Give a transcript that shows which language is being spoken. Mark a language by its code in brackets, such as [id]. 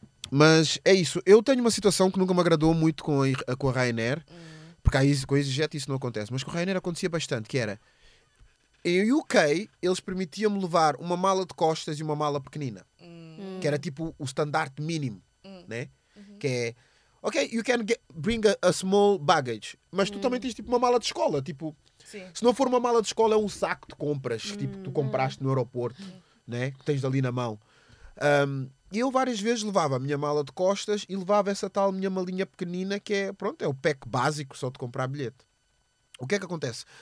[pt] Mas é isso, eu tenho uma situação que nunca me agradou muito com a Ryanair, porque com a EasyJet isso não acontece, mas com a Ryanair acontecia bastante, que era, em UK, eles permitiam-me levar uma mala de costas e uma mala pequenina, que era tipo o standard mínimo, né? Que é, [en] ok, you can bring a small baggage. [pt] Mas tu também tens tipo uma mala de escola. Tipo, se não for uma mala de escola, é um saco de compras que tipo, tu compraste no aeroporto, né? Que tens ali na mão. E eu várias vezes levava a minha mala de costas e levava essa tal minha malinha pequenina que é, pronto, é o pack básico só de comprar bilhete. O que é que acontece?